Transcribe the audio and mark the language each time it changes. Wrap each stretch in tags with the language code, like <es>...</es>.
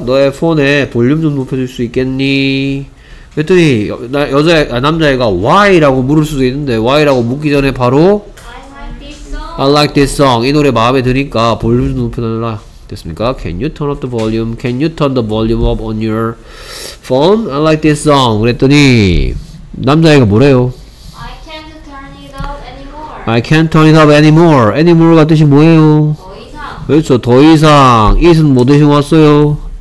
<ko>너의 폰에 볼륨 좀 높여줄 수 있겠니? 그랬더니 남자애가</ko> <en>why?</en> <ko>라고 물을 수도 있는데 why? 라고 묻기 전에 바로</ko> <en>I like this song.</en> <ko>이 노래 마음에 드니까 볼륨 좀 높여달라. 됐습니까?</ko> <en>Can you turn up the volume? Can you turn the volume up on your phone? I like this song.</en> <ko>그랬더니 남자애가 뭐래요?</ko> <en>I can't turn it up anymore. I can't turn it up anymore. anymore가</en> <ko>뜻이 뭐예요? 그렇죠. 더 이상 it은 뭐 대신 왔어요?</ko>